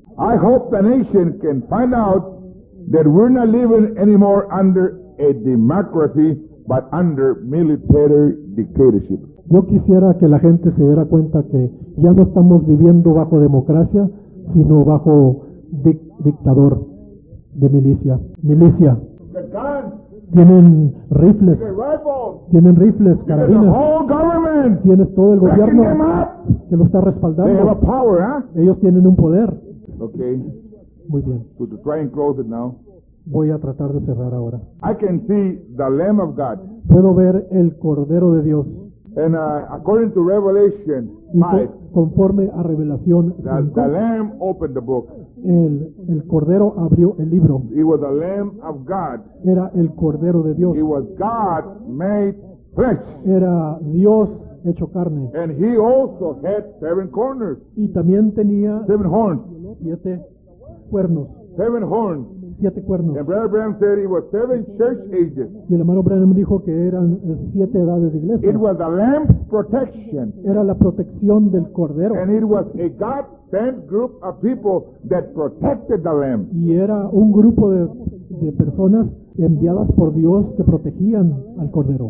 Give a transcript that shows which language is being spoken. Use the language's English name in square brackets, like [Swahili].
[English] I hope the nation can find out that we're not living anymore under a democracy, but under military dictatorship. [Spanish] Yo quisiera que la gente se diera cuenta que ya no estamos viviendo bajo democracia, sino bajo dictador de milicia. Milicia. Tienen rifles. Tienen rifles, carabinas. Tienes todo el gobierno que lo está respaldando. Ellos tienen un poder. [English] Okay. [Spanish] Muy bien. [English] So to try and close it now. [Spanish] Voy a tratar de cerrar ahora. [English] I can see the Lamb of God. [Spanish] Puedo ver el Cordero de Dios. [English] And according to Revelation 5, [Spanish] conforme a Revelación 5, [English] the Lamb opened the book. [Spanish] El Cordero abrió el libro. [English] He was the Lamb of God. [Spanish] Era el Cordero de Dios. [English] He was God made flesh. [Spanish] Era Dios hecho carne. [English] And he also had seven corners. [Spanish] Y también tenía [English] seven horns. [Spanish] Siete cuernos. [English] Seven horns. [Spanish] Siete cuernos. [English] And Brother Branham said it was seven church ages. [Spanish] Y el hermano Branham dijo que eran siete edades de iglesia. [English] It was the Lamb's protection. [Spanish] Era la protección del Cordero. [English] And it was a God sent group of people that protected the Lamb. [Spanish] Y era un grupo de personas enviadas por Dios que protegían al Cordero.